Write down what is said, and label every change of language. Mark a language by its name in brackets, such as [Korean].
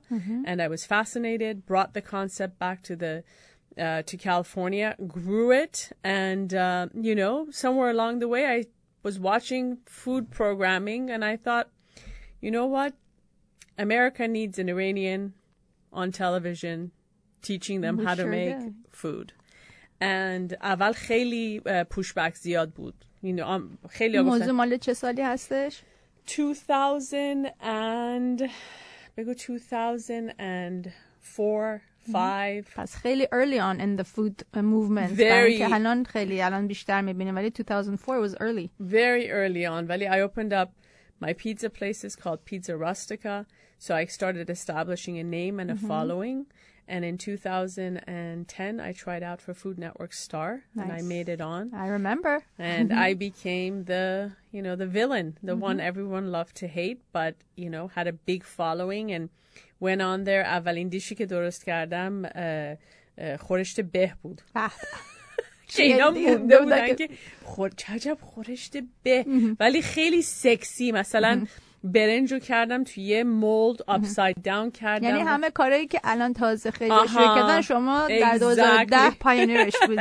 [English] And I was fascinated, brought the concept back to the to California, grew it, and somewhere along the way I was watching food programming and I thought, America needs an Iranian on television teaching them how to make food. [Persian] And اول خیلی pushback زیاد بود. خیلی موضوع مال چه سالی هستش؟ 2004-5 پس خیلی [English] early on in the food movement. Very. [Persian] که الان خیلی الان بیشتر میبینیم ولی [English] 2004 was early. Very early on. ولی I opened up my pizza places called Pizza Rustica. So I started establishing a name and a following. And in 2010, I tried out for Food Network Star. Nice. And I made it on. I remember. And I became the, the villain, the one everyone loved to hate, but, had a big following and went on there. [Persian] اولین دیشی که درست کردم خورشت به بود. چه اینا مونده بودن که چجب خورشت به. ولی خیلی سکسی. مثلا برنج رو کردم توی یه مولد اپساید داون کردم. یعنی همه کارهایی که الان تازه خیلی شرکتن شما در 2010 پایونرش بودی.